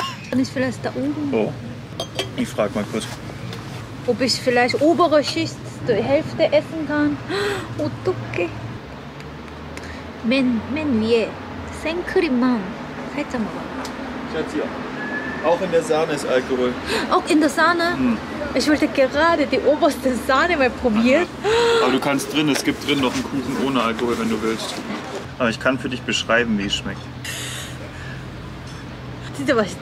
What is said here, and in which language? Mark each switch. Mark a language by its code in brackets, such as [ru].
[de] Bin ich vielleicht da oben? Oh, ich frag mal kurz. Ob ich vielleicht obere Schicht die Hälfte essen kann? [ko] 어떻게? 맨 위에 생크림만 살짝 먹어. 샷지요. [de] Auch in der Sahne ist Alkohol. Auch in der Sahne? Mhm. Ich wollte gerade die oberste Sahne mal probieren. Aber du kannst drin, es gibt drin noch einen Kuchen ohne Alkohol, wenn du willst. Aber ich kann für dich beschreiben, wie es schmeckt. Sieht aber nicht.